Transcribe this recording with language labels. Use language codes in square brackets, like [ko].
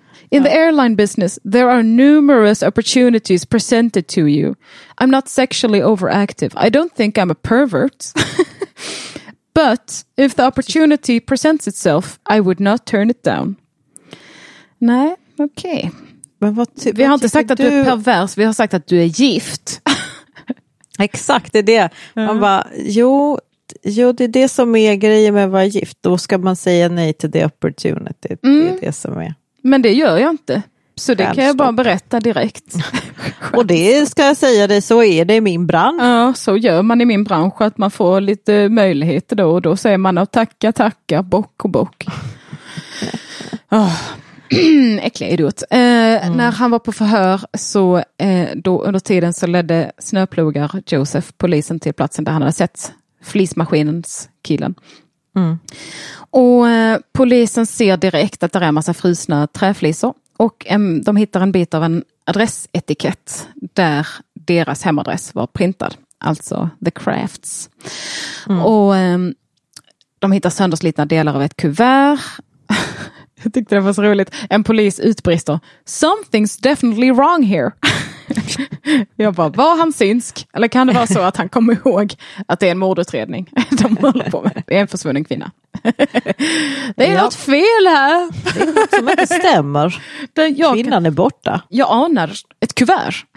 [en] In the airline business, there are numerous opportunities presented to you. I'm not sexually overactive. I don't think I'm a pervert. But if the opportunity presents itself, I would not turn it down. [sv] Nej, okej. Okay. Vi har inte sagt att du är pervers, vi har sagt att du är gift. Exakt, det är det. Man bara, jo, det är det som är grejen med att vara gift. Då ska man säga nej till the opportunity. Mm. Det är det som är. Men det gör jag inte. Så det kan jag bara berätta direkt. Och det ska jag säga dig, så är det i min bransch. Ja, så gör man i min bransch att man får lite möjligheter då. Och då säger man att tacka, bock och bock. Äcklig idiot. När han var på förhör så då under tiden så ledde snöplogar Joseph polisen till platsen där han hade sett flismaskinens killen. Och polisen ser direkt att det är en massa frusna träflisor. Och de hittar en bit av en adressetikett där deras hemadress var printad. Alltså The Crafts. Och de hittar sönderslitna delar av ett kuvert. Jag tyckte det var så roligt. En polis utbrister. [en] Something's definitely wrong here. [sv] Jag bara, var han synsk? Eller kan det vara så att han kommer ihåg att det är en mordutredning de håller på med? Det är en försvunnen kvinna. Det är något fel här. Det är något som inte stämmer. Kvinnan är borta. Jag anar ett kuvert.